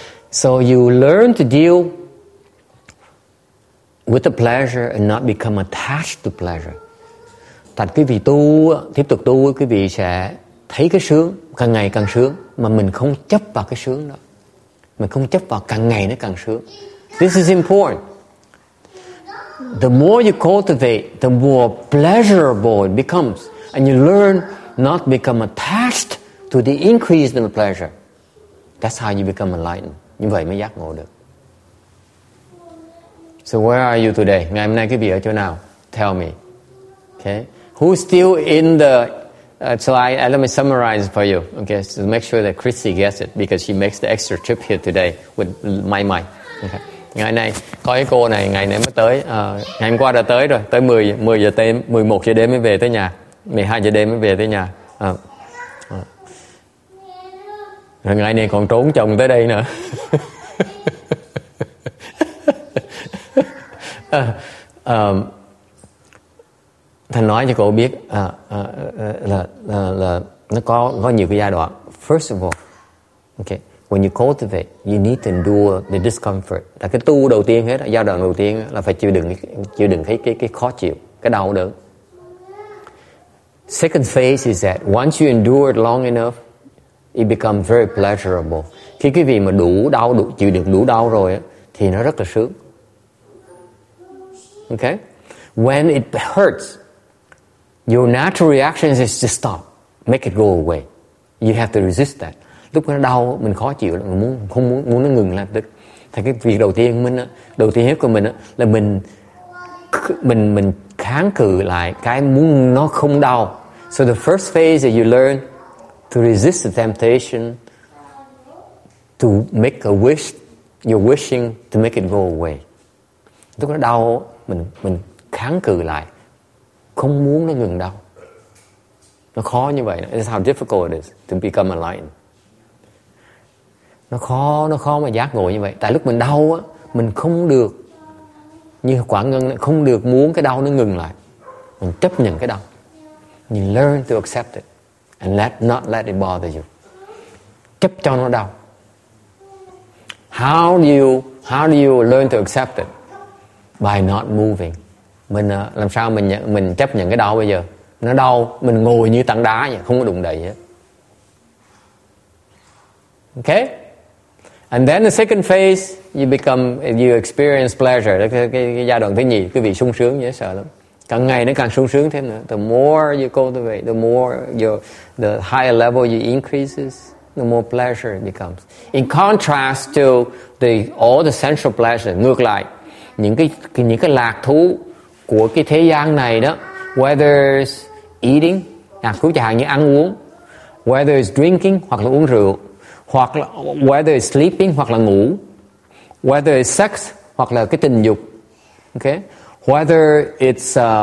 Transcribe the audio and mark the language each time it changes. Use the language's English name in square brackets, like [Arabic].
[English] So you learn to deal with the pleasure and not become attached to pleasure. [Vietnamese] Thành quý vị tu, tiếp tục tu, quý vị sẽ thấy cái sướng, càng ngày càng sướng, mà mình không chấp vào cái sướng đó. Mình không chấp vào càng ngày nó càng sướng. [English] This is important. The more you cultivate, the more pleasurable it becomes. And you learn not to become attached to the increase in the pleasure. That's how you become enlightened. [Vietnamese] Như vậy mới giác ngộ được. [English] So where are you today? [Vietnamese] Ngày hôm nay quý vị ở chỗ nào? [English] Tell me. Okay. Who's still in the... let me summarize for you. Okay. So make sure that Chrissy gets it because she makes the extra trip here today with my mind. Okay. [Vietnamese] Ngày nay, có cái cô này ngày nay mới tới. Ngày hôm qua đã tới rồi. Tới 10 giờ đêm, 11 giờ đêm mới về tới nhà. 12 giờ đêm mới về tới nhà. Rồi ngày nay còn trốn chồng tới đây nữa. Thành nói cho cô biết là nó có nhiều cái giai đoạn. [English] First of all, okay, when you cultivate, you need to endure the discomfort. [Vietnamese] Là cái tu đầu tiên hết, giai đoạn đầu tiên là phải chịu đựng cái khó chịu, cái đau đớn. [English] Second phase is that once you endure it long enough, it becomes very pleasurable. [Vietnamese] Khi quý vị mà chịu đựng đủ đau rồi thì nó rất là sướng. [English] Okay, when it hurts, your natural reaction is to stop, make it go away. You have to resist that. [Vietnamese] Lúc nó đau, mình khó chịu, mình muốn nó ngừng lại. Thì cái việc đầu tiên hết của mình là mình kháng cự lại cái muốn nó không đau. [English] So the first phase that you learn to resist the temptation, to make a wish, you're wishing to make it go away. [Vietnamese] Lúc nó đau, mình kháng cự lại. Không muốn nó ngừng đau. Nó khó như vậy. [English] That's how difficult it is to become enlightened. [Vietnamese] Nó khó mà giác ngộ như vậy. Tại lúc mình đau á, mình không được, như quả ngân, không được muốn cái đau nó ngừng lại. Mình chấp nhận cái đau. [English] You learn to accept it and not let it bother you. [Vietnamese] Chấp cho nó đau. [English] How do you learn to accept it? By not moving. [Vietnamese] Mình làm sao mình chấp nhận cái đau bây giờ? Nó đau, mình ngồi như tảng đá vậy, không có đụng đậy hết. [English] Okay? And then the second phase, you experience pleasure. [Vietnamese] Cái giai đoạn thứ nhì, quý vị sung sướng dễ sợ lắm. Càng ngày nó càng sung sướng thêm nữa. [English] The more you cultivate, the more the higher level you increases, the more pleasure it becomes. In contrast to all the sensual pleasure, [Vietnamese] ngược lại, những cái lạc thú của cái thế gian này đó, [English] whether it's eating, [Vietnamese] cứ chẳng hạn như ăn uống, [English] whether it's drinking, [Vietnamese] hoặc là uống rượu, hoặc là [English] whether it's sleeping, [Vietnamese] hoặc là ngủ, [English] whether it's sex, [Vietnamese] hoặc là cái tình dục, [English] okay, whether it's